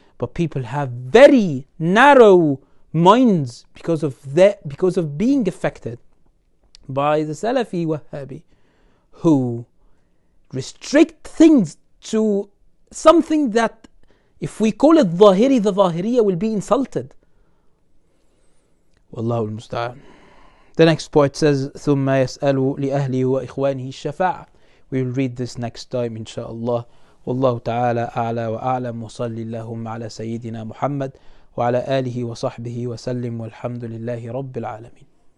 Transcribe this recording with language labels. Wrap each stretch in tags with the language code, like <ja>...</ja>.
<en>But people have very narrow minds because of being affected by the Salafi Wahhabi, who restrict things to something that, if we call it Zahiri, the Zahiriya will be insulted.</en> <ar>Wallahu al-musta'an.</ar> <en>The next point says,</en> <ar>ثُمَّ يَسْأَلُ لِأَهْلِهُ وَإِخْوَانِهِ الشَّفَاعَةِ.</ar> <en>We will read this next time, inshaAllah.</en> <ar>والله تعالى أعلى وأعلم وصلي اللهم على سيدنا محمد وعلى آله وصحبه وسلم والحمد لله رب العالمين.</ar>